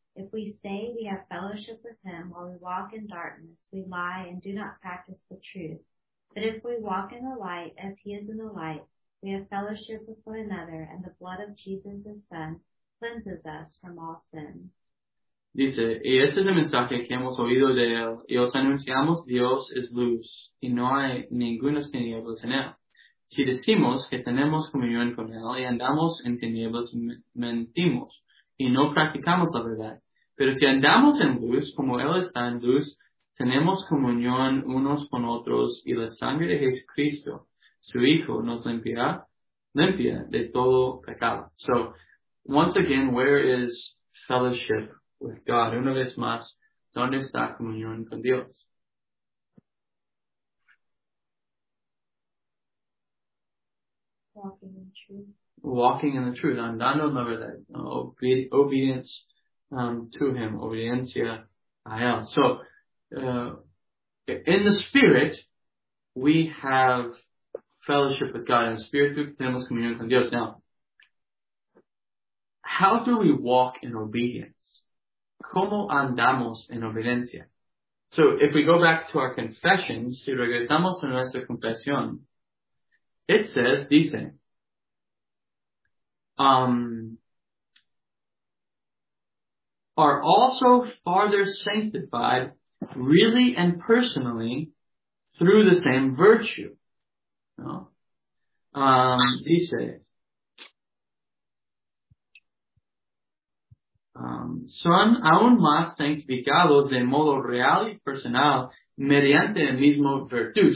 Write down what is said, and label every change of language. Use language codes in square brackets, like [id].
[en] If we say we have fellowship with him while we walk in darkness, we lie and do not practice the truth. But if we walk in the light, as he is in the light, we have fellowship with one another, and the blood of Jesus, his Son, cleanses us from all sin. [es] Dice, y este es el mensaje que hemos oído de él, y os anunciamos Dios es luz, y no hay ninguna tinieblas en él. Si decimos que tenemos comunión con él, y andamos en tinieblas, mentimos, y no practicamos la verdad. Pero si andamos en luz, como él está en luz, tenemos comunión unos con otros y la sangre de Jesucristo, su Hijo, nos limpia de todo pecado. [en] So, once again, where is fellowship with God? [es] Una vez más, ¿dónde está comunión con Dios? [en] Walking in the truth. Walking in the truth, [es] andando en la verdad. [en] Obedience to him, [es] obediencia a él. [en] So, in the Spirit, we have fellowship with God. In the Spirit, [es] tenemos comunión con Dios. [en] Now, how do we walk in obedience? [es] ¿Cómo andamos en obediencia? [en] So, if we go back to our confession, [es] si regresamos a nuestra confesión, [en] it says, [es] dice, [en] are also farther sanctified really and personally through the same virtue. [es] ¿no? Dice, son aún más sanctificados de modo real y personal mediante el mismo virtud.